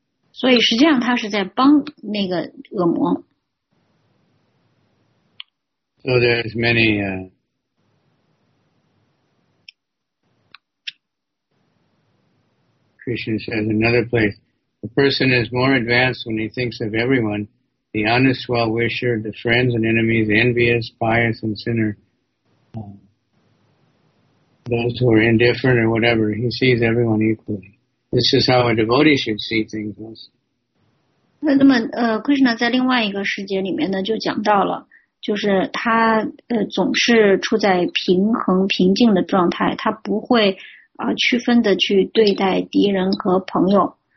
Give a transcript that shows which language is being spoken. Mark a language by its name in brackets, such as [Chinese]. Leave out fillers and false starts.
[Chinese] 所以实际上他是在帮那个恶魔。 [English] So there's many, Krishna says another place, the person is more advanced when he thinks of everyone. The honest well-wisher, the friends and enemies, envious, pious, and sinner. Those who are indifferent or whatever, he sees everyone equally. This is how a devotee should see things also. [Chinese] 那么Krishna 在另外一个世界里面呢就讲到了，就是他总是处在平衡平静的状态，他不会区分的去对待敌人和朋友。